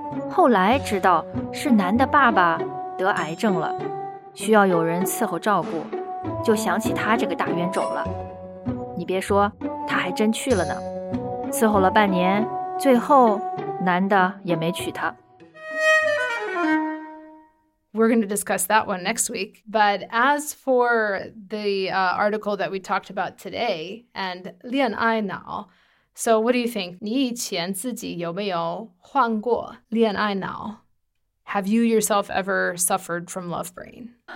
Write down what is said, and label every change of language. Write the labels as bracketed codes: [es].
[zh] 后来知道是男的爸爸得癌症了，需要有人伺候照顾，就想起他这个大冤种了。你别说，他还真去了呢，伺候了半年，最后男的也没娶她。 [en] We're going to discuss that one next week. But as for the article that we talked about today and 恋爱脑, so what do you think? [zh] 你以前自己有没有患过恋爱脑? [en] Have you yourself ever suffered from love brain?